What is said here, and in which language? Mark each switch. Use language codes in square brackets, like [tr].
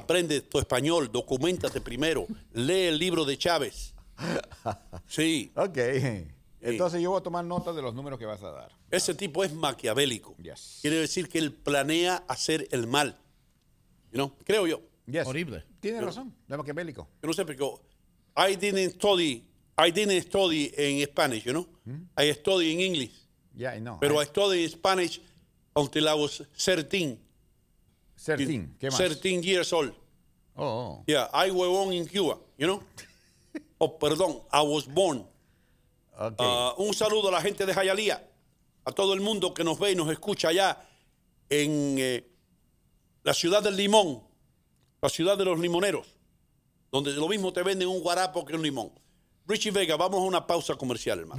[es] Aprende tu español, documentate primero, lee el libro de Chávez. Sí. Ok. Sí. Entonces yo voy a tomar nota de los números que vas a dar. Ese tipo es maquiavélico. [en] Yes. [es] Quiere decir que él planea hacer el mal. [en] You know? [es] Creo yo. [en] Yes. Horrible. [es] Tiene razón, de maquiavélico. Yo no sé, porque [en] I didn't study in Spanish, you know? Mm-hmm. I studied in English. Yeah, I know. [es] Pero [en] I studied in Spanish until I was 13. [es] 13, ¿qué más? [en] 13 years old. Oh. Yeah, I was born in Cuba, you know? Oh, [es] perdón, [en] I was born. Okay. [es] Un saludo a la gente de Hialeah, a todo el mundo que nos ve y nos escucha allá en la ciudad del limón, la ciudad de los limoneros, donde lo mismo te venden un guarapo que un limón. Richie Vega, vamos a una pausa comercial, hermano.